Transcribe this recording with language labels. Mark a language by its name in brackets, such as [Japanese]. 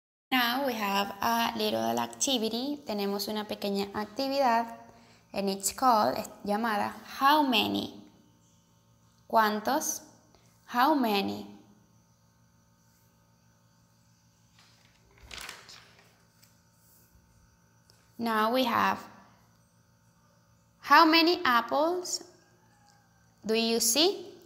[English] Now we have a little activity. [Spanish] Tenemos una pequeña actividad. [English] And it's called, [Spanish] es llamada, [English] how many? [Spanish] ¿Cuántos? [English] How many? Now we have, how many apples do you see?